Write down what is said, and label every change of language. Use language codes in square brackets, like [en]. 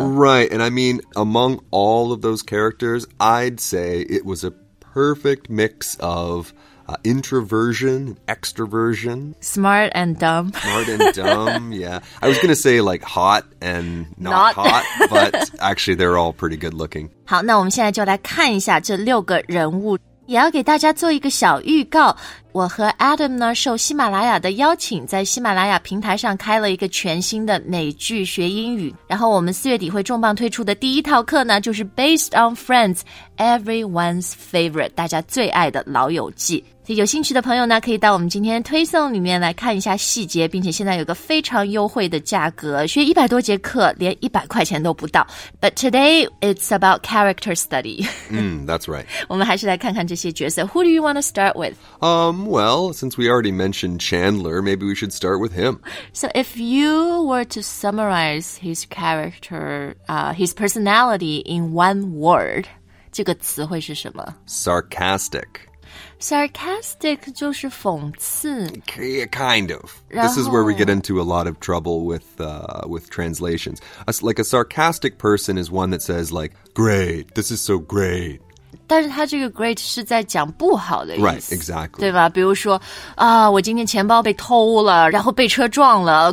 [en] Right, and I mean, among all of those characters, I'd say it was a perfect mix of... introversion, extroversion. Smart and dumb. Smart and dumb, yeah. I was going to say like hot and not hot, but actually they're all pretty good looking. [zh] 好，那我们现在就来看一下这六个人物。也要给大家做一个小预告。我和 Adam 呢受喜马拉雅的邀请，在喜马拉雅平台上开了一个全新的美剧学英语。然后我们四月底会重磅推出的第一套课呢，就是 Based on Friends, Everyone's Favorite, 大家最爱的老友记。所以有兴趣的朋友呢，可以到我们今天推送里面来看一下细节，并且现在有个非常优惠的价格，学100多节课连100块钱都不到。 [en] But today, it's about character study. That's right. [zh] 我们还是来看看这些角色。 [en] Who do you want to start with? Well, since we already mentioned Chandler, maybe we should start with him. So if you were to summarize his character, his personality in one word, [zh] 这个词会是什么? [en] Sarcastic. [zh] Sarcastic 就是讽刺 [en] Kind of. This is where we get into a lot of trouble with translations. Like a sarcastic person is one that says like, great, this is so great. [zh] 但是他这个 great 是在讲不好的意思。 [en] Right, exactly. [zh] 对吧？比如说，啊，我今天钱包被偷了，然后被车撞了。